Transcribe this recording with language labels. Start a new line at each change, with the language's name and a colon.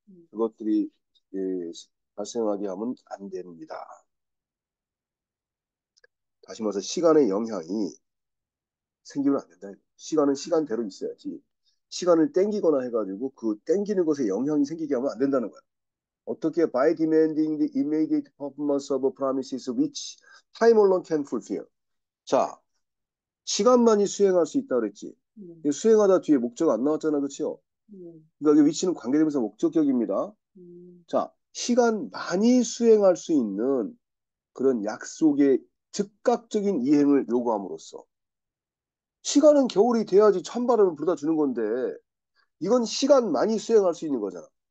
Korean: 그것들이 발생하게 하면 안 됩니다. 다시 말해서 시간의 영향이 생기면 안 된다. 시간은 시간대로 있어야지. 시간을 땡기거나 해가지고 그 땡기는 것에 영향이 생기게 하면 안 된다는 거야. 어떻게?
English: By demanding the immediate performance of promises which time alone can fulfill.
Korean: 자. 시간만이 수행할 수 있다 그랬지. 수행하다 뒤에 목적 안 나왔잖아, 그렇죠? 그러니까 위치는 관계대명사 목적격입니다. 자, 시간만이 수행할 수 있는 그런 약속의 즉각적인 이행을 요구함으로써 시간은 겨울이 돼야지 찬바람을 불어다 주는 건데 이건 시간만이 수행할 수 있는 거잖아.